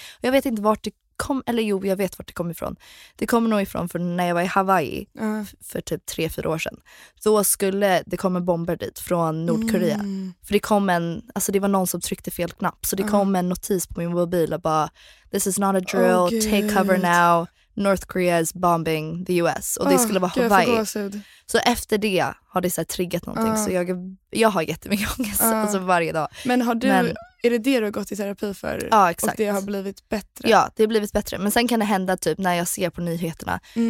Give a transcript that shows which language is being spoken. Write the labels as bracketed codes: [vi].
[sv] Och jag vet inte vart det kom, eller jo, jag vet vart det kom ifrån. Det kommer nog ifrån för när jag var i Hawaii för typ 3-4 år sedan. Då skulle det komma bomber dit från Nordkorea. För det kom en, alltså det var någon som tryckte fel knapp. Så det kom en notis på min mobil och bara, [en] this is not a drill, take cover now. North Korea is bombing the US. [sv] Och det skulle vara Hawaii. Så efter det har det så här triggat någonting. Så jag har jättemycket ångest alltså varje dag. Men har du... Men, är det det du har gått i terapi för? Ja, exakt. Och det har blivit bättre? Ja, det har blivit bättre. Men sen kan det hända typ när jag ser på nyheterna.